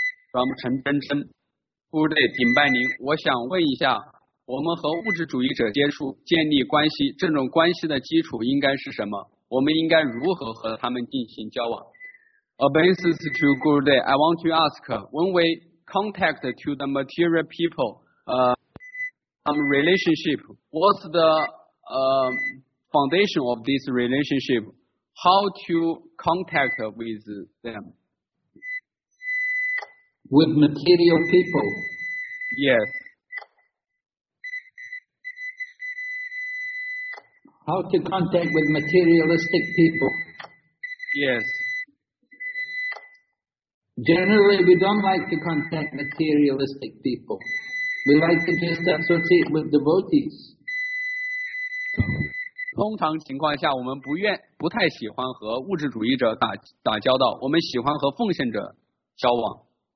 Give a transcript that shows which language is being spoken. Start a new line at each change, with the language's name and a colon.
English: From
Chinese: 陈真真，顾队顶拜您，我想问一下，我们和物质主义者接触、建立关系，这种关系的基础应该是什么？我们应该如何和他们进行交往？
English: A basis to Guru Day, I want to ask, when we contact to the material people, relationship, what's the, foundation of this relationship? How to contact with them? With material people? Yes. How to contact with materialistic people? Yes. Generally, we don't like to contact materialistic people. We like to just associate with devotees.
Chinese: 通常情况下，我们不太喜欢和物质主义者打交道。我们喜欢和奉献者交往。